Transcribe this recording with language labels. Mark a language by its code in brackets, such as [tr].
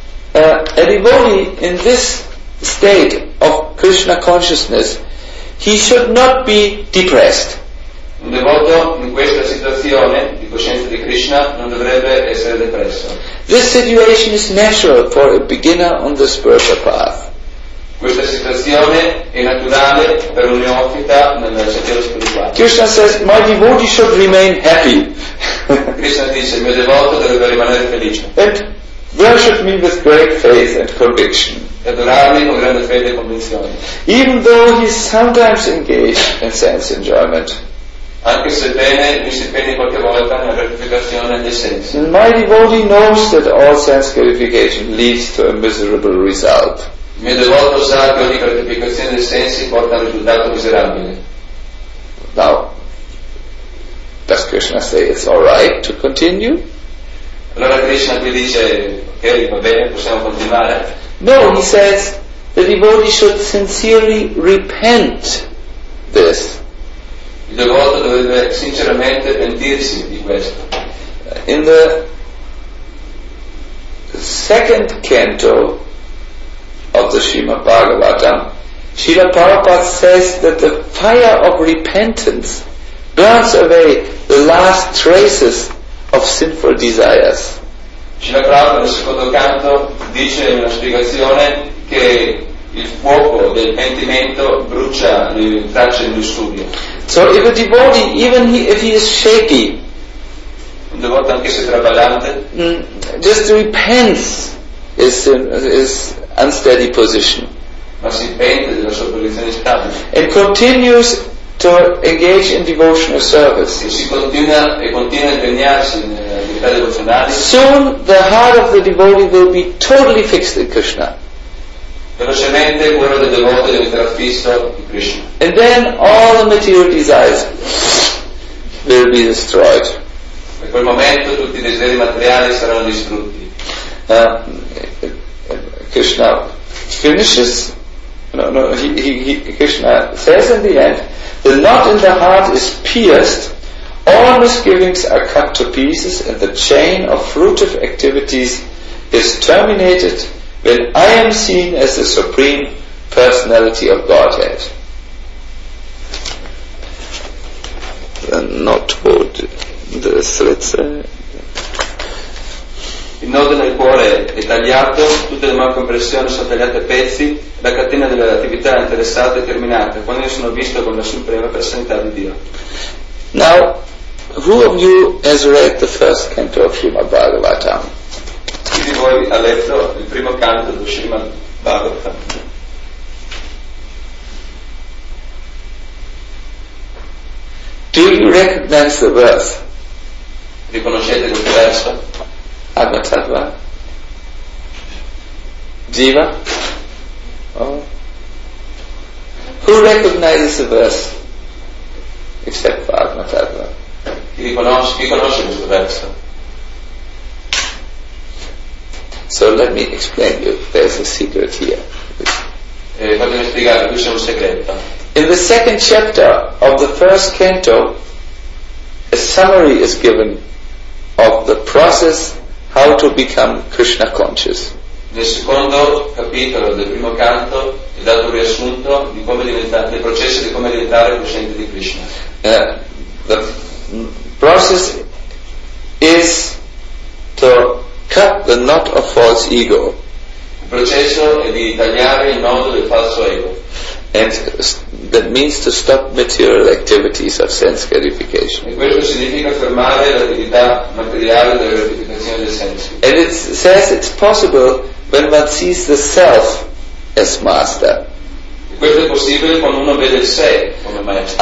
[en] A devotee in this state of Krishna consciousness, he should not be depressed. [it] Un devoto in questa situazione di coscienza di Krishna non dovrebbe essere depresso. [en] This situation is natural for a beginner on the spiritual path. [it] Questa situazione è naturale per un neofita nel sentiero spirituale. [en] Krishna says, my devotee should remain happy. [it] Krishna dice, il mio devoto dovrebbe rimanere felice. [en] And worship me with great faith and conviction. [it] E adorarmi con grande fede e convinzione. [en] Even though he is sometimes engaged in sense enjoyment. [it] Anche se bene mi si impegni qualche volta nella gratificazione dei sensi. [en] My devotee knows that all sense gratification leads to a miserable result. [it] Il mio devoto sa che ogni gratificazione dei sensi porta a un risultato miserabile. [en] Now, does Krishna say it's all right to continue? [it] Allora Krishna qui dice, ok, va bene, possiamo continuare? [en] No, he says the devotee should sincerely repent this. [it] Il devoto dovrebbe sinceramente pentirsi di questo. [en] In the second canto of the Srimad Bhagavatam, Srila Prabhupada says that the fire of repentance burns away the last traces of sinful desires. [it] Srila Prabhupada nel secondo canto dice in una spiegazione che il fuoco del pentimento brucia le tracce di lussuria. [en] So if a devotee, even if he is shaky, [it] un devoto anche se traballante, [en] just repents is unsteady position. [it] Ma si pente della sua posizione stabile. [en] And continues to engage in devotional service. [it] E si continua e continua a impegnarsi nell'attività devozionale. [en] Soon the heart of the devotee will be totally fixed in Krishna. [it] Velocemente il cuore del devoto diventerà fisso in Krishna. [en] And then all the material desires will be destroyed. [it] E quel momento tutti i desideri materiali saranno distrutti. [en] Krishna finishes. Krishna says in the end, the knot in the heart is pierced, all misgivings are cut to pieces, and the chain of fruitive activities is terminated when I am seen as the Supreme Personality of Godhead. The knot would this, let's say. [it] Il nodo nel cuore è tagliato, tutte le malcompressioni sono tagliate a pezzi, la catena delle attività interessate è terminata, quando io sono visto con la suprema personalità di Dio. [en] Now, who of you has read the first canto of Srimad Bhagavatam? [it] Chi di voi ha letto il primo canto di Srimad Bhagavatam? [en] Do you recognize the verse? [it] Riconoscete il verso? Agatava Jiva. Oh. [en] Who recognizes the verse? Except for Agatava. [it] Chi conosce questo verso? [en] So let me explain you. There's a secret here. [it] Fatemi spiegare, qui c'è un segreto. [en] In the second chapter of the first canto, a summary is given of the process how to become Krishna conscious. [it] Nel secondo capitolo del primo canto è dato un riassunto di come diventare, del processo di come diventare cosciente di Krishna. [en] The process is to cut the knot of false ego. [it] Il processo è di tagliare il nodo del falso ego. [en] And that means to stop material activities of sense gratification. [it] E questo significa fermare l'attività materiale della gratificazione dei sensi. [en] And it says it's possible when one sees the self as master. [it] E questo è possibile quando uno vede il sé come maestro.